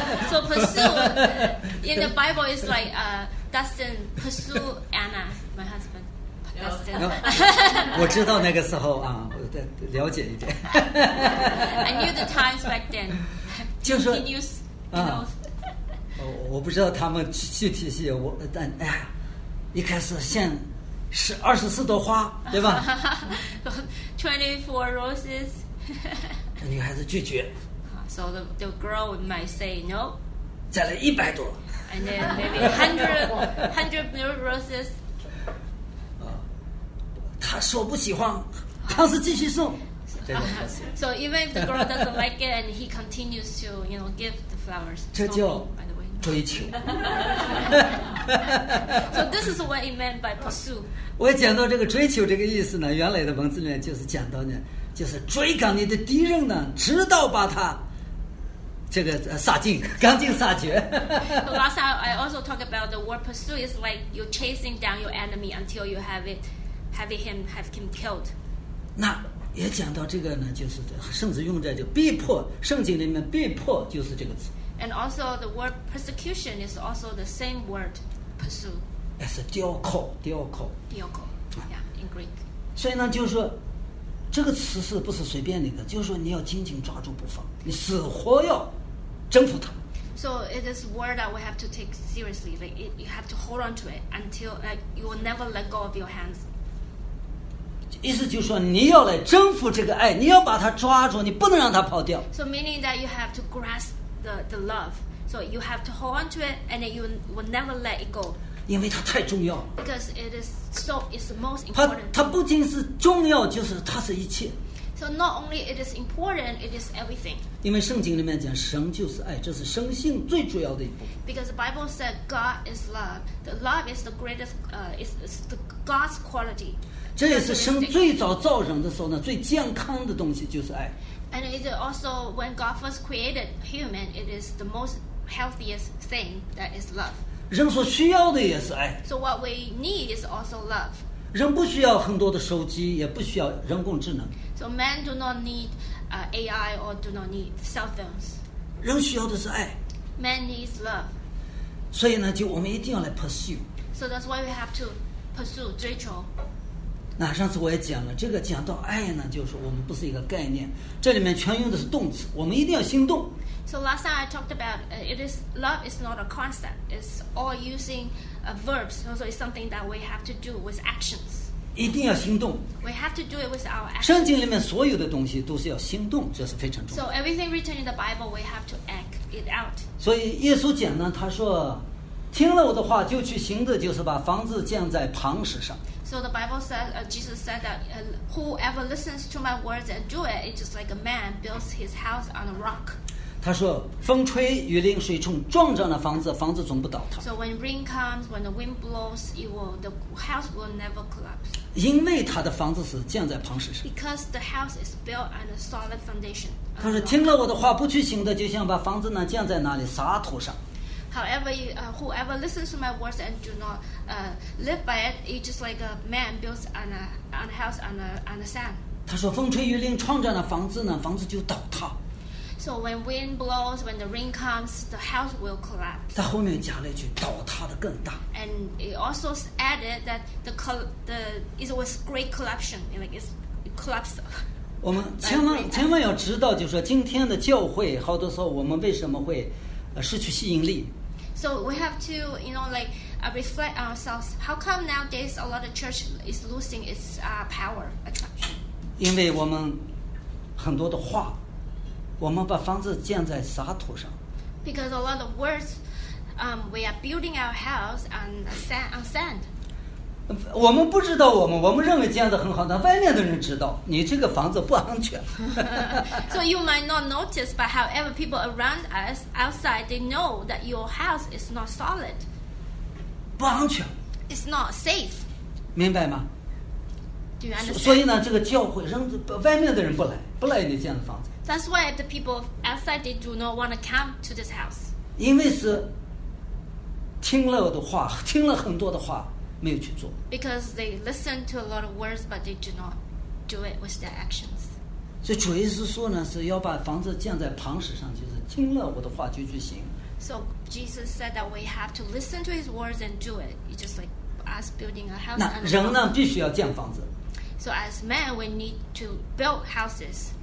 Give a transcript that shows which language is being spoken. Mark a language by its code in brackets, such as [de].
[en] So pursue in the Bible is like Dustin pursue Anna, my husband. Dustin. [zh] No, 我知道那个时候啊，我再了解一点。 [en] I knew the times back then. [zh] 就说 [en] 啊。You know, [zh] 我不知道他们具体是我，但哎呀，一开始献24朵花，对吧 [en] ？24 roses [zh] 。 女孩子拒绝。 [en] So the girl might say no. [zh] 再来100朵。 [en] And then maybe 100 new roses. [zh] 他说不喜欢，他是继续送。 [en] So even if the girl doesn't like it and he continues to, you know, give the flowers. [zh] 这叫追求。 [en] So this is what he meant by pursue. [zh] 我讲到这个追求这个意思呢，原来的文字里面就是讲到呢，就是追赶你的敌人呢，直到把他这个杀尽，赶尽杀绝。 [en] So last time I also talked about the word pursue is like you're chasing down your enemy until you have him killed. [zh] 那也讲到这个呢，就是圣子用在就逼迫，圣经里面逼迫就是这个词。 [en] And also the word persecution is also the same word, pursue. It's [zh] 雕刻，雕刻。 [en] 雕刻 ，yeah, in Greek. [zh] 所以呢，就是说，这个词是不是随便的？就是说，你要紧紧抓住不放，你死活要征服它。 [en] So it is a word that we have to take seriously. Like it, you have to hold on to it until like you will never let go of your hands. [zh] 意思就是说，你要来征服这个爱，你要把它抓住，你不能让它跑掉。 [en] So meaning that you have to grasp the love, so you have to hold on to it, and then you will never let it go. [zh] 因为它太重要。 [en] Because it is so, it's the most important. [zh] 它不仅是重要，就是它是一切。 [en] So not only it is important, it is everything. [zh] 因为圣经里面讲，神就是爱，这是神性最主要的一部分。 [en] Because the Bible said God is love. The love is the greatest, is the God's quality. [zh] 这也是神最早造人的时候呢，最健康的东西就是爱。 [en] And it is also when God first created human, it is the most healthiest thing that is love. [zh] 人所需要的也是爱。 [en] So what we need is also love. [zh] 人不需要很多的手机，也不需要人工智能。 [en] So men do not need AI or do not need cell phones. [zh] 人需要的是爱。 [en] Man needs love. [zh] 所以呢，就我们一定要来 pursue. [en] So that's why we have to pursue 追求。 [zh] 那上次我也讲了，这个讲到爱呢，就是我们不是一个概念，这里面全用的是动词，我们一定要行动。 [en] So last time I talked about it is love is not a concept, it's all using verbs. So it's something that we have to do with actions. [zh] 一定要行动。 [en] We have to do it with our actions. [zh] 圣经里面所有的东西都是要行动，这是非常重要。 [en] So everything written in the Bible, we have to act it out. [zh] 所以耶稣讲呢，他说，听了我的话就去行的，就是把房子建在磐石上。 [en] So the Bible says, Jesus said that whoever listens to my words and do it, it's just like a man builds his house on a rock. [zh] 他说，风吹雨淋水冲撞着那房子，房子总不倒塌。 [en] So when rain comes, when the wind blows, it will, the house will never collapse. [zh] 因为他的房子是建在磐石上。 [en] Because the house is built on a solid foundation. [zh] 他说，听了我的话不去行的，就像把房子呢建在那里沙土上。 [en] However, whoever listens to my words and do not live by it, it's just like a man builds on a house on a sand. [zh] 他说，风吹雨淋撞着那房子呢，房子就倒塌。 [en] So when wind blows, when the rain comes, the house will collapse. [zh] 在后面加了一句，倒塌的更大。 [en] And it also added that the it was great collapse, like it collapsed. [zh] 我们千万要知道，就是说今天的教会，好多时候我们为什么会？失去吸引力。 [en] So we have to, you know, like reflect ourselves. How come nowadays a lot of church is losing its power attraction? [zh] 因为我们很多的话，我们把房子建在沙土上。 [en] Because a lot of words, we are building our house on sand. [zh] 我们不知道我们认为建得很好，但外面的人知道你这个房子不安全。 [en] So you might not notice, but however people around us outside, they know that your house is not solid. [zh] 不安全。 [en] It's not safe. [zh] 明白吗？ [en] Do you understand? [zh] 所以呢，这个教会让外面的人不来你建的房子。 [en] That's why the people outside, they do not want to come to this house. [zh] 因为是听了我的话，听了很多的话。没有去做。 [en] Because they listen to a lot of words, but they do not do it with their actions. [zh] 所以主耶稣说呢，是要把房子建在磐石上，就是听了我的话就去行。 [en] So Jesus said that we have to listen to his words and do it. It's just like us building a house. [zh] 那人呢，必须要建房子。 [en] So as men, we need to build houses.